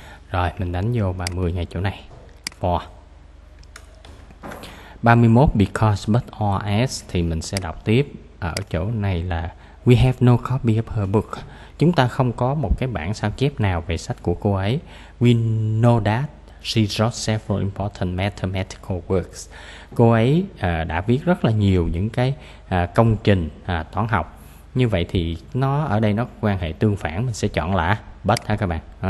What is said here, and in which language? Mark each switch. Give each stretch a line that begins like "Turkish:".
Vietnamese: Rồi mình đánh vô 30 ngay chỗ này. For. 31 because but or as thì mình sẽ đọc tiếp. Ở chỗ này là
English: we have no copy of her book.
Vietnamese: Chúng ta không có một cái bản sao chép nào về sách của cô ấy.
English: We know that she wrote several important mathematical works.
Vietnamese: Cô ấy đã viết rất là nhiều những cái công trình toán học. Như vậy thì nó ở đây nó quan hệ tương phản, mình sẽ chọn là but ha các bạn.